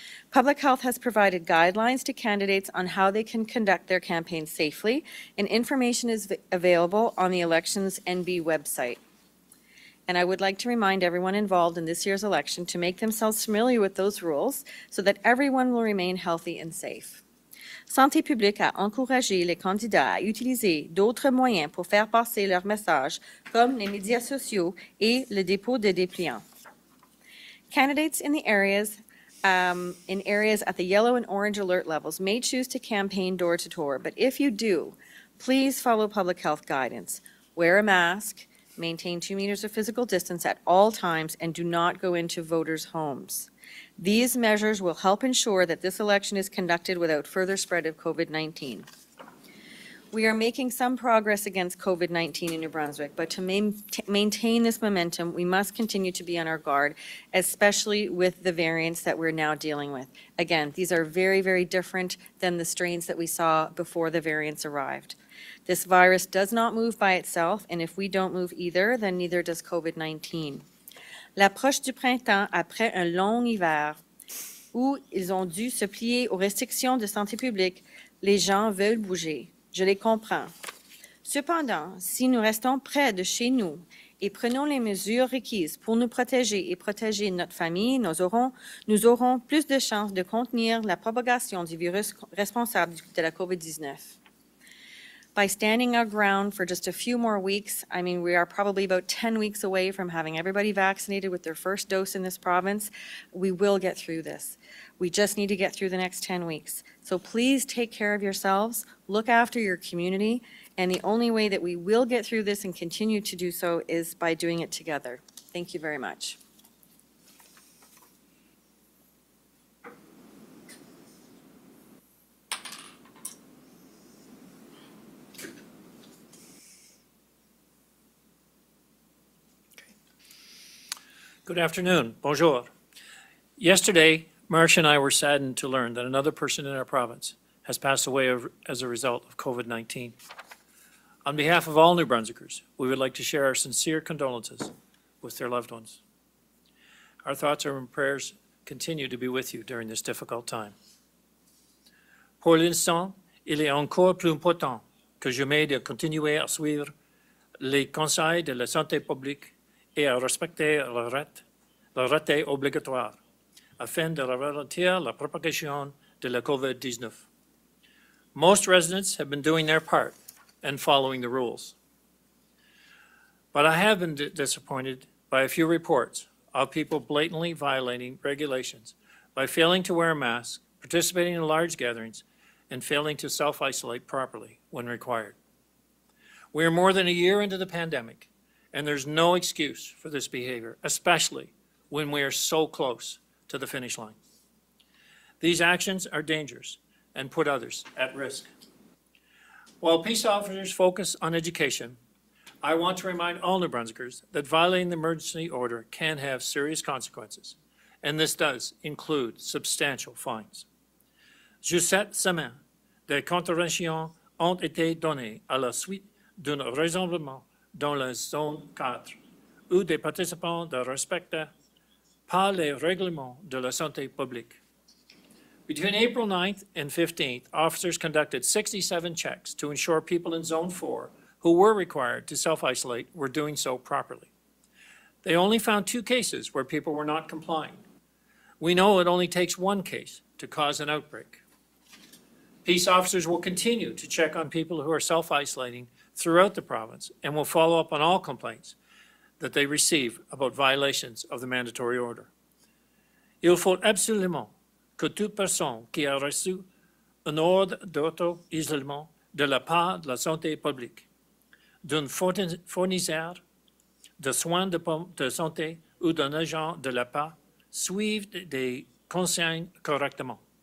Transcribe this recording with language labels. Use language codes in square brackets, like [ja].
[en] Public Health has provided guidelines to candidates on how they can conduct their campaign safely, and information is available on the Elections NB website. And I would like to remind everyone involved in this year's election to make themselves familiar with those rules so that everyone will remain healthy and safe. [fr] Santé publique a encouragé les candidats à utiliser d'autres moyens pour faire passer leur message, comme les médias sociaux et le dépôt de dépliants. [en] Candidates in the areas at the yellow and orange alert levels may choose to campaign door to door, but if you do, please follow public health guidance. Wear a mask, maintain 2 meters of physical distance at all times, and do not go into voters' homes. These measures will help ensure that this election is conducted without further spread of COVID-19. We are making some progress against COVID-19 in New Brunswick, but to maintain this momentum, we must continue to be on our guard, especially with the variants that we're now dealing with. Again, these are very, very different than the strains that we saw before the variants arrived. This virus does not move by itself, and if we don't move either, then neither does COVID-19. [fr] L'approche du printemps après un long hiver où ils ont dû se plier aux restrictions de santé publique, les gens veulent bouger. Je les comprends. Cependant, si nous restons près de chez nous et prenons les mesures requises pour nous protéger et protéger notre famille, nous aurons plus de chances de contenir la propagation du virus responsable de la COVID-19. [en] By standing our ground for just a few more weeks, I mean, we are probably about 10 weeks away from having everybody vaccinated with their first dose in this province, we will get through this. We just need to get through the next 10 weeks. So please take care of yourselves, look after your community, and the only way that we will get through this and continue to do so is by doing it together. Thank you very much. Good afternoon. [fr] Bonjour. [en] Yesterday, Marsh and I were saddened to learn that another person in our province has passed away as a result of COVID-19. On behalf of all New Brunswickers, we would like to share our sincere condolences with their loved ones. Our thoughts and prayers continue to be with you during this difficult time. [fr] Pour l'instant, il est encore plus important que jamais de continuer à suivre les conseils de la santé publique et à respecter l'arrêté obligatoire afin de ralentir la propagation de la COVID-19. [en] Most residents have been doing their part and following the rules. But I have been disappointed by a few reports of people blatantly violating regulations by failing to wear a mask, participating in large gatherings, and failing to self-isolate properly when required. We are more than a year into the pandemic, and there's no excuse for this behavior, especially when we are so close to the finish line. These actions are dangerous and put others at risk. While peace officers focus on education, I want to remind all New Brunswickers that violating the emergency order can have serious consequences, and this does include substantial fines. [fr] Juste cette semaine, des contraventions ont été données à la suite d'un rassemblement dans la zone 4, où des participants ne respectent pas les règlements de la santé publique. [en] Between April 9th and 15th, officers conducted 67 checks to ensure people in zone 4 who were required to self-isolate were doing so properly. They only found 2 cases where people were not complying. We know it only takes 1 case to cause an outbreak. Peace officers will continue to check on people who are self-isolating throughout the province and will follow up on all complaints that they receive about violations of the mandatory order. [fr] Il faut absolument que toute personne qui a reçu un ordre d'auto-isolement de la part de la santé publique, d'un fournisseur de soins de santé ou d'un agent de l'APA suive des consignes correctement.